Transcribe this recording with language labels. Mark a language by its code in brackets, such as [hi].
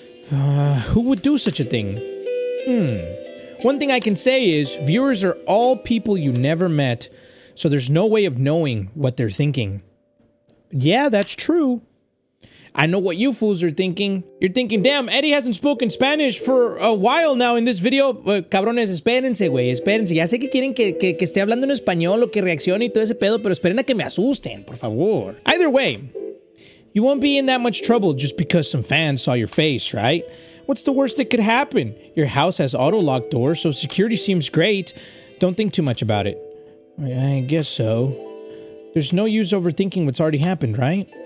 [en] Who would do such a thing? One thing I can say is, viewers are all people you never met, so there's no way of knowing what they're thinking. Yeah, that's true. I know what you fools are thinking. You're thinking, damn, Eddie hasn't spoken Spanish for a while now in this video. [es] Cabrones, espérense, güey, espérense. Ya sé que quieren que esté hablando en español o que reaccione y todo ese pedo, pero esperen a que me asusten, por favor. [en] Either way, you won't be in that much trouble just because some fans saw your face, right? What's the worst that could happen? Your house has auto-locked doors, so security seems great. Don't think too much about it. I guess so. There's no use overthinking what's already happened, right?